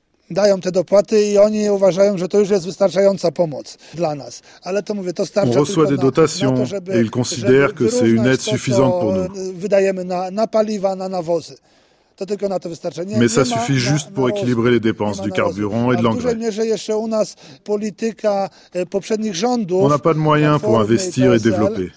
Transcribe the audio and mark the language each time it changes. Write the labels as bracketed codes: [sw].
[pl] Dają te dopłaty i oni uważają, że to już jest wystarczająca pomoc dla nas. Ale to mówię, to starcza tylko na to, żeby [fr] et ils considèrent que c'est une aide suffisante pour nous. [pl] Wydajemy na paliwa, na nawozy. To tylko na to wystarczy. [fr] Mais ça suffit juste pour équilibrer les dépenses du carburant et de l'engrais. [pl] W dużej mierze jeszcze u nas polityka poprzednich rządów. [fr] On n'a pas de moyens pour investir et développer.